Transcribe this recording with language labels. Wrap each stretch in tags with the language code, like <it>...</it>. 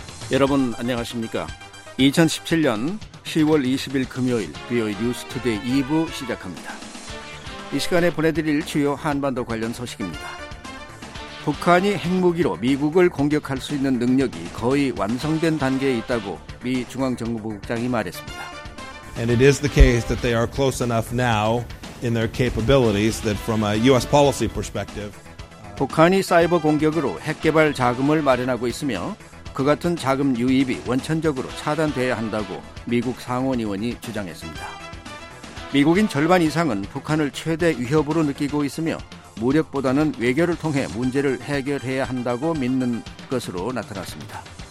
<ko>여러분 안녕하십니까? 2017년 10월 20일 금요일 VOA News Today 2부 시작합니다. 이 시간에 보내드릴 주요 한반도 관련 소식입니다. 북한이 핵무기로 미국을 공격할 수 있는 능력이 거의 완성된 단계에 있다고 미 중앙정보국장이 말했습니다.</ko> <en>And it is the case that they are close enough now in their capabilities that from a U.S. policy perspective,</en> <ko>북한이 사이버 공격으로 핵 개발 자금을 마련하고 있으며 그 같은 자금 유입이 원천적으로 차단돼야 한다고 미국 상원 의원이 주장했습니다. 미국인 절반 이상은 북한을 최대 위협으로 느끼고 있으며 무력보다는 외교를 통해 문제를 해결해야 한다고 믿는 것으로 나타났습니다.</ko>